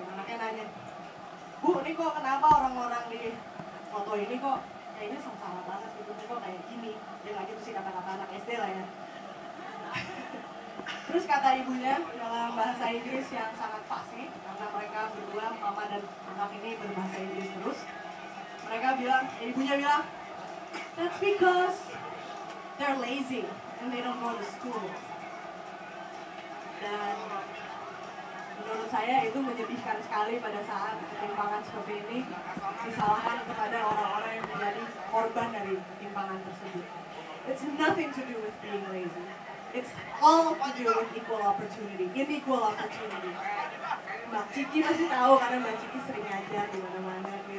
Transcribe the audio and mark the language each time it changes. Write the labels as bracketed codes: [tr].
[id] Anaknya nanya, Bu, ini kok kenapa orang-orang di foto ini kok kayaknya sengsara banget gitu, kok kayak gini. Dia nggak gitu sih, kata-kata anak SD lah ya. Terus kata ibunya dalam bahasa Inggris yang sangat fasih, karena mereka berdua, mama dan anak ini berbahasa Inggris terus. Mereka bilang, ibunya bilang, [en] that's because they're lazy and they don't go to school. [id] Dan menurut saya itu menyedihkan sekali pada saat ketimpangan seperti ini disalahkan kepada orang-orang yang menjadi korban dari ketimpangan tersebut. [en] It's nothing to do with being lazy. It's all to do with equal opportunity. Inequal opportunity. [id] Mbak Ciki pasti tahu karena Mbak Ciki sering ngajar di mana-mana.